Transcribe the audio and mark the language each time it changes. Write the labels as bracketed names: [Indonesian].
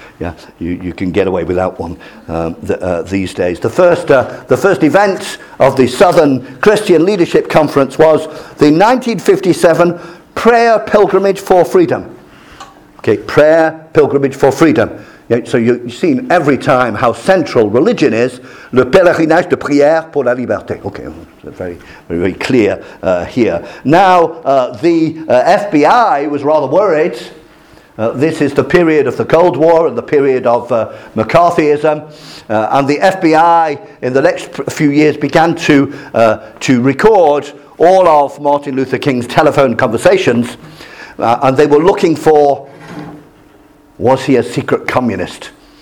[English] Yeah, you can get away without one these days. The first event of the Southern Christian Leadership Conference was the 1957 Prayer Pilgrimage for Freedom. Okay, Prayer Pilgrimage for Freedom. Yeah, so you've seen every time how central religion is. [French] Le pèlerinage de prière pour la liberté. [English] Okay, very, very, very clear here. Now, the FBI was rather worried. This is the period of the Cold War and the period of McCarthyism, and the FBI in the next few years began to record all of Martin Luther King's telephone conversations, and they were looking for, was he a secret communist?